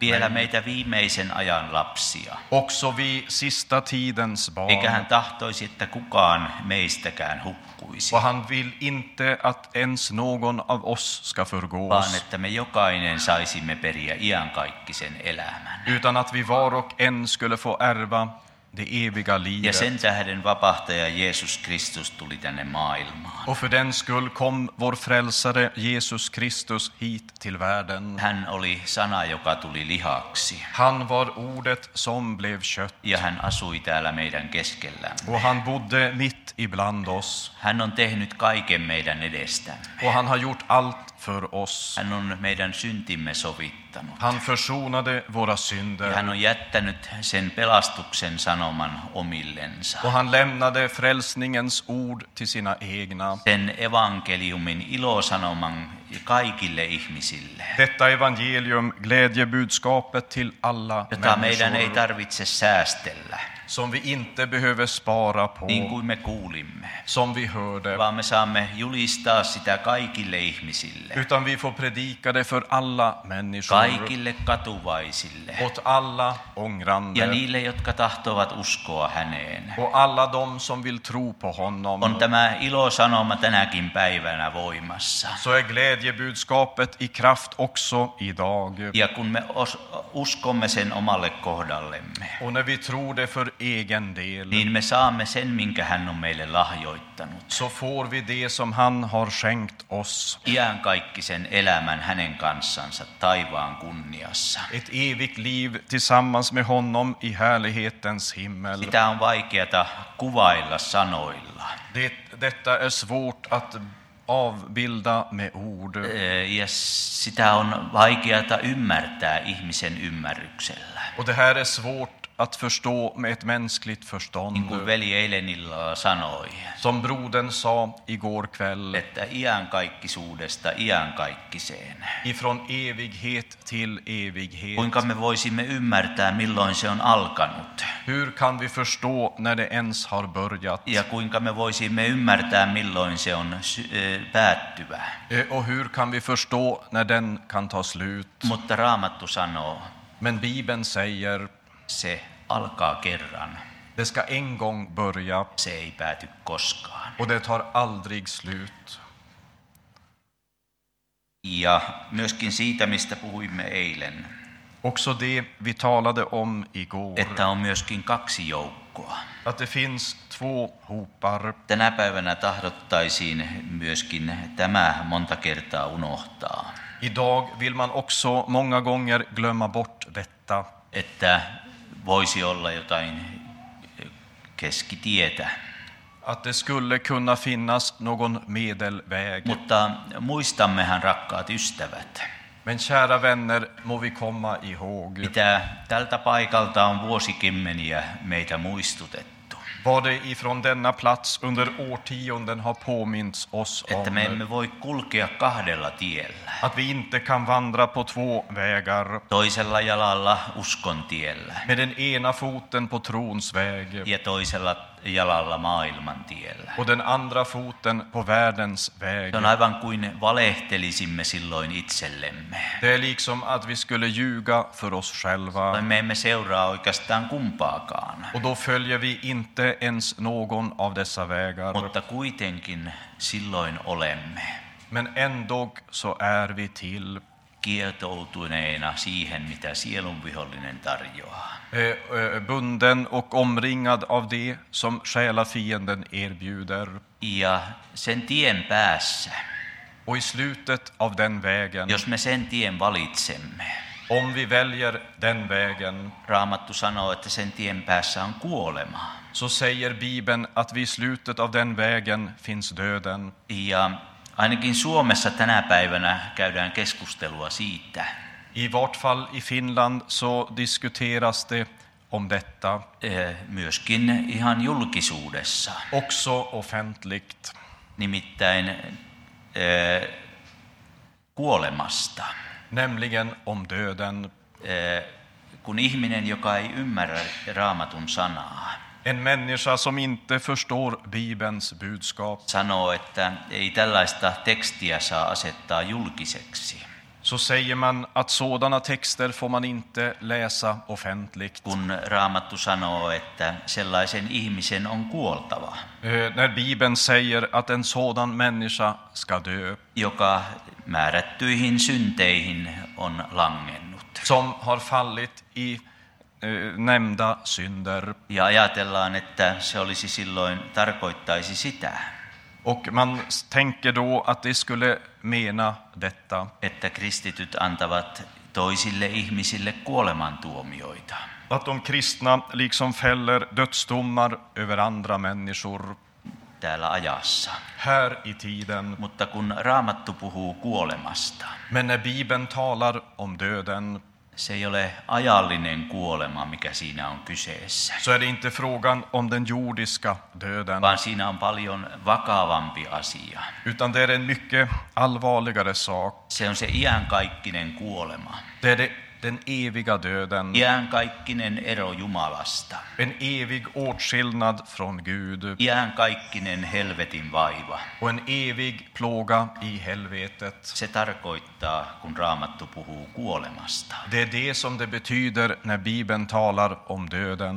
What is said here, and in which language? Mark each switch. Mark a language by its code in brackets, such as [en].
[fi] vielä meitä viimeisen ajan lapsia. [sv] Också vi sista tidens barn. [fi] Eikä hän tahtoisi, että kukaan meistäkään hukkuisi. [sv] Och han vill inte att ens någon av oss ska förgås. [fi] Vaan että me jokainen saisimme periä iankaikkisen elämän. [sv] Utan att vi var och en skulle få ärva det eviga livet. [fi] Ja sen tähden vapahtaja Jesus Kristus tuli tänne maailmaan. [sv] Och för den skull kom vår frälsare Jesus Kristus hit till världen. [fi] Hän oli sana, joka tuli lihaksi. [sv] Han var ordet som blev kött. [fi] Ja hän asui täällä meidän keskellämme. [sv] Och han bodde mitt ibland oss. [fi] Hän on tehnyt kaiken meidän edestämme. [sv] Och han har gjort allt för oss. [fi] Hän on meidän syntimme sovittanut. [sv] Han försonade våra synder. [fi] Ja hän on jättänyt sen pelastuksen sanoman omillensa. [sv] Och han lämnade frälsningens ord till sina egna. [fi] Sen evankeliumin ilosanoman kaikille ihmisille. [sv] Detta evangelium, glädjebudskapet till alla [fi] jota [sv] människor. [fi] Meidän ei tarvitse säästellä. [sv] Som vi inte behöver spara på. [fi] Niin kuin me kuulimme. [sv] Som vi hörde. [fi] Vaan me saamme julistaa sitä kaikille ihmisille. [sv] Utan vi får predika det för alla människor. [fi] Kaikille katuvaisille. [sv] Åt alla ångrande. [fi] Ja niille, jotka tahtovat uskoa häneen. [sv] Och alla de som vill tro på honom. [fi] On tämä ilosanoma tänäkin päivänä voimassa. [sv] Så är glädjebudskapet i kraft också idag. [fi] Ja kun me uskomme sen omalle kohdallemme. [sv] Och när vi tror det för egen del. [fi] Niin me saamme sen, minkä hän on meille lahjoittanut. [sv] Så får vi det som han har skänkt oss. [fi] Iankaikkisen elämän hänen kanssansa taivaan kunniassa. [sv] Ett evigt liv tillsammans med honom i härlighetens himmel. [fi] Sitä on vaikeata kuvailla sanoilla. [sv] Detta är svårt att avbilda med ord. [fi] Ja sitä on vaikeata ymmärtää ihmisen ymmärryksellä. [sv] Och det här är svårt att förstå med ett mänskligt förstånd. [fi] Niin kuin veli eilen illalla sanoi. [sv] Som brodern sa igår kväll. [fi] Että iankaikkisuudesta iankaikkiseen. [sv] Ifrån evighet till evighet. [fi] Kuinka me voisimme ymmärtää, milloin se on alkanut. [sv] Hur kan vi förstå när det ens har börjat. [fi] Ja kuinka me voisimme ymmärtää, milloin se on päättyvä. [sv] Och hur kan vi förstå när den kan ta slut. [fi] Mutta Raamattu sanoo. [sv] Men Bibeln säger. [fi] Se alkaa kerran. [sv] Det ska en gång börja. [fi] Se ei pääty koskaan. [sv] Och det tar aldrig slut. [fi] Ja myöskin siitä, mistä puhuimme eilen. [sv] Också det vi talade om igår. Detta är [fi] myöskin kaksi joukkoa. [sv] Att det finns två hopar. [fi] Tänä päivänä tahdottaisiin myöskin tämä monta kertaa unohtaa. [sv] Idag vill man också många gånger glömma bort detta. [fi] Että voisi olla jotain keskitietä. [sv] Att det skulle kunna finnas någon medelväg. [fi] Mutta muistammehan rakkaat ystävät. [sv] Men kära vänner, må vi komma ihåg. [fi] Mitä tältä paikalta on vuosikymmeniä meitä muistutettu. [sv] Både ifrån denna plats under årtionden har påminnts oss om. [fi] Että me emme voi kulkea kahdella tiellä. [sv] Att vi inte kan vandra på två vägar. [fi] Toisella jalalla uskon tiellä. [sv] Med den ena foten på trons väg. [fi] Ja toisella jalalla maailman tiellä. [sv] Och den andra foten på världens väg. [fi] Se on aivan kuin valehtelisimme silloin itsellemme. [sv] Det är liksom att vi skulle ljuga för oss själva. [fi] Me emme seuraa oikeastaan kumpaakaan. [sv] Och då följer vi inte ens någon av dessa vägar. [fi] Mutta kuitenkin silloin olemme. [sv] Men ändå så är vi till. [fi] Kietoutuneena siihen, mitä sielun vihollinen tarjoaa. [sv] Bunden och omringad av det som själafienden erbjuder. [fi] Ja sen tien päässä. [sv] Och i slutet av den vägen. [fi] Jos me sen tien valitsemme. [sv] Om vi väljer den vägen. [fi] Raamattu sanoo, että sen tien päässä on kuolema. [sv] Så säger Bibeln att vid slutet av den vägen finns döden. [fi] Ja ainakin Suomessa tänä päivänä käydään keskustelua siitä. [sv] I vart fall i Finland så diskuteras det om detta. [fi] Myöskin ihan julkisuudessa. [sv] Också offentligt. [fi] Nimittäin kuolemasta. [sv] Nämligen om döden. [fi] Kun ihminen, joka ei ymmärrä Raamatun sanaa. [sv] En människa som inte förstår Bibelns budskap. [fi] Sanoo, että ei tällaista tekstiä saa asettaa julkiseksi. [sv] Så säger man att sådana texter får man inte läsa offentligt. [fi] Kun Raamattu sanoo, että sellaisen ihmisen on kuoltava. [sv] När Bibeln säger att en sådan människa ska dö. [fi] Joka määrättyihin synteihin on langennut. [sv] Som har fallit i nämnda synder. [fi] Ja ajatellaan, että se olisi silloin tarkoittaisi sitä. [sv] Och man tänker då att det skulle mena detta. [fi] Että kristityt antavat toisille ihmisille kuolemantuomioita. [sv] Att de kristna liksom fäller dödsdomar över andra människor. [fi] Täällä ajassa. [sv] Här i tiden. [fi] Mutta kun Raamattu puhuu kuolemasta. [sv] Men när Bibeln talar om döden. [fi] Se ei ole ajallinen kuolema, mikä siinä on kyseessä. [sv] Så är det inte frågan om den jordiska döden. [fi] Vaan siinä on paljon vakavampi asia. [sv] Utan det är en mycket allvarligare sak. [fi] Se on se iänkaikkinen kuolema. [sv] Det är den eviga döden. [fi] Iänkaikkinen ero Jumalasta. [sv] En evig åtskillnad från Gud. [fi] Iänkaikkinen helvetin vaiva. [sv] Och en evig plåga i helvetet. [fi] Se tarkoittaa, kun Raamattu puhuu kuolemasta. [sv] Det är det som det betyder när Bibeln talar om döden.